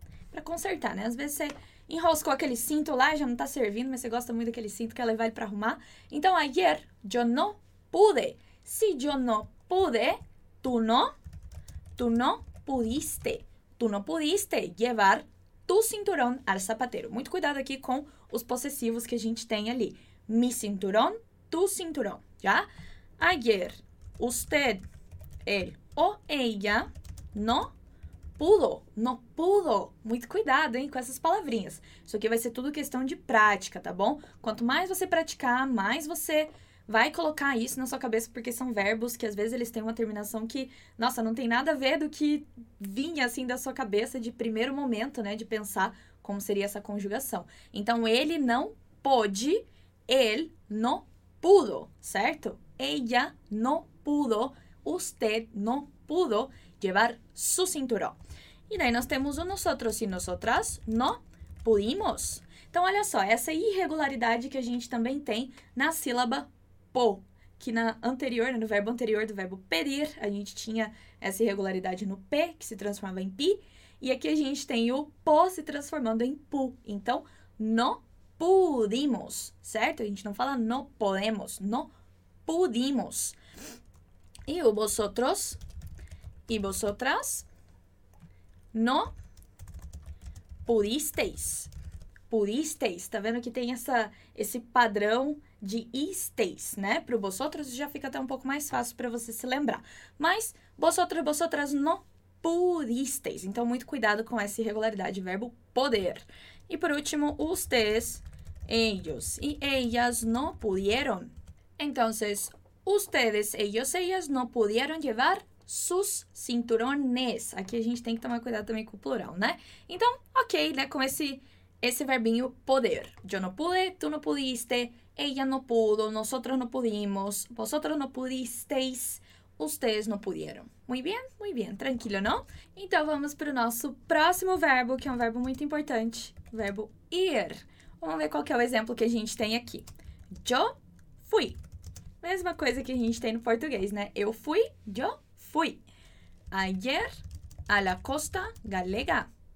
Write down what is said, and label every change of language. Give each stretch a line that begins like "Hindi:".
Portuguese: Pra consertar, né? Às vezes você enroscou aquele cinto lá, já não tá servindo, mas você gosta muito daquele cinto, quer levar ele pra arrumar.
Spanish: Então, ayer, yo no pude. Si yo no pude, tu no pudiste llevar tu cinturón al zapatero.
Portuguese: Muito cuidado aqui com os possessivos que a gente tem ali.
Spanish: Mi cinturón, tu cinturón, já? Ayer, usted, él o ella, no pudo.
Portuguese: Muito cuidado, hein, com essas palavrinhas. Isso aqui vai ser tudo questão de prática, tá bom? Quanto mais você praticar, mais você vai colocar isso na sua cabeça, porque são verbos que, às vezes, eles têm uma terminação que, nossa, não tem nada a ver do que vinha, assim, da sua cabeça de primeiro momento, né, de pensar como seria essa conjugação. Então, ele não pôde,
Spanish: él no pudo,
Portuguese: certo?
Spanish: Ella no pudo, usted no pudo llevar su cinturón.
Portuguese: E daí nós temos o nosotros e nosotras no pudimos. Então, olha só, essa irregularidade que a gente também tem na sílaba po, que na anterior, no verbo anterior do verbo pedir, a gente tinha essa irregularidade no p, que se transformava em pi, e aqui a gente tem o po se transformando em pu. Então, no pudimos, certo? A gente não fala
Spanish: no podemos, no pudimos. E o vosotros e vosotras no pudisteis.
Portuguese: Pudisteis, tá vendo que tem esse padrão de isteis, né? Pro vosotros já fica até um pouco mais fácil para você se lembrar. Mas
Spanish: vosotros e vosotras no pudisteis.
Portuguese: Então, muito cuidado com essa irregularidade, verbo poder.
Spanish: E por último, ustedes, ellos e ellas no pudieron. Entonces, ustedes, ellos, ellas no pudieron llevar sus cinturones.
Portuguese: Aqui a gente tem que tomar cuidado também com o plural, né? Então, ok, né? Com esse verbinho poder.
Spanish: Yo no pude, tu no pudiste, ella no pudo, nosotros no pudimos, vosotros no pudisteis, ustedes no pudieron. Muy bien, tranquilo, ¿no?
Portuguese: Então, vamos para o nosso próximo verbo, que é um verbo muito importante, o verbo ir. Vamos ver qual que é o exemplo que a gente tem aqui.
Spanish: Yo fui.
Portuguese: Mesma coisa que a gente tem no português, né? Eu fui,
Spanish: yo fui. Ayer a la costa galega.